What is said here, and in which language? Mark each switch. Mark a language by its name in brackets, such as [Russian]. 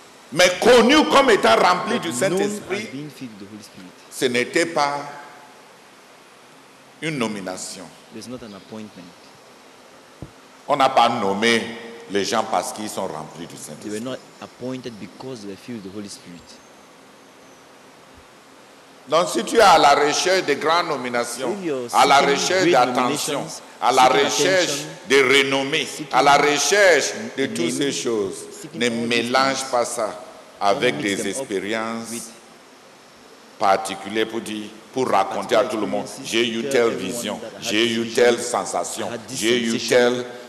[French] Mais connu comme étant rempli du Saint-Esprit, ce n'était pas une nomination. [English] Not an appointment. [French] On n'a pas nommé les gens parce qu'ils sont remplis du Saint-Esprit. [English] They were not appointed because they were filled with the Holy Spirit. [French] Donc si tu es à la recherche de grandes nominations, à la recherche d'attention, à la recherche de renommée, à la recherche de toutes ces choses, ne mélange pas ça avec des expériences particulières pour raconter à tout le monde, j'ai eu telle vision, j'ai eu telle sensation, j'ai eu telle...